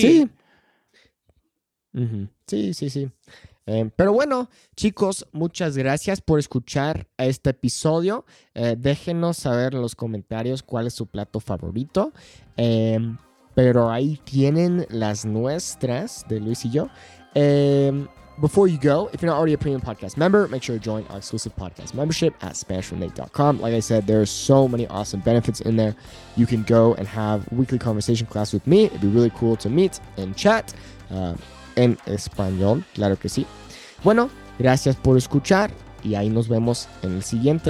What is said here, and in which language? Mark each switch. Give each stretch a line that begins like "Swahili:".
Spanish: Sí. Uh-huh. Sí, sí, sí. Pero bueno, chicos, muchas gracias por escuchar este episodio. Déjenos saber en los comentarios cuál es su plato favorito. Pero ahí tienen las nuestras de Luis y yo.
English: Before you go, if you're not already a premium podcast member, make sure to join our exclusive podcast membership at SpanishFromNate.com. Like I said, there are so many awesome benefits in there. You can go and have weekly conversation class with me. It'd be really cool to meet and chat
Spanish: en español, claro que sí. Bueno, gracias por escuchar y ahí nos vemos en el siguiente.